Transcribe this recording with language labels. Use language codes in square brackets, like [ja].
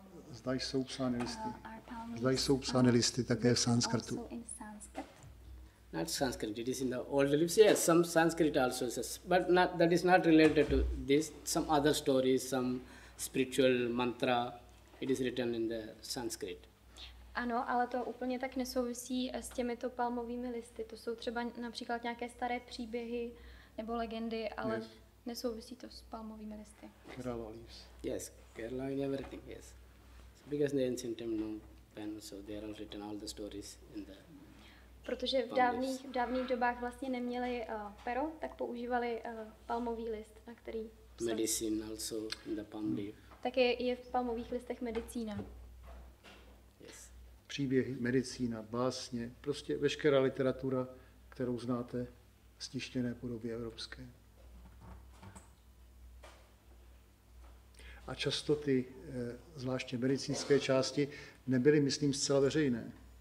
[cs] Zda jsou psány listy. Zda jsou psány listy také v sanskrtu. [en] Not Sanskrit, it is in the old lips. Yes, some Sanskrit also says, but not, that is not related to this. Some other stories, some spiritual mantra, it is written in the Sanskrit. [cs] Ano, ale to úplně tak nesouvisí s těmito palmovými listy. To jsou třeba například nějaké staré příběhy nebo legendy, ale yes. Nesouvisí to s palmovými listy. [en] Kerala leaves. Yes, Kerala and everything, yes. So because the ancient time no pen, so they are all written all the stories in the... [cs] Protože v dávných dobách vlastně neměli pero, tak používali palmový list, na který... [en] Medicine also in the palm leaf. [cs] Také je v palmových listech medicína. [en] Yes. [cs] Příběhy, medicína, básně, prostě veškerá literatura, kterou znáte v stištěné podobě evropské. A často ty zvláště medicínské části nebyly, myslím, zcela veřejné.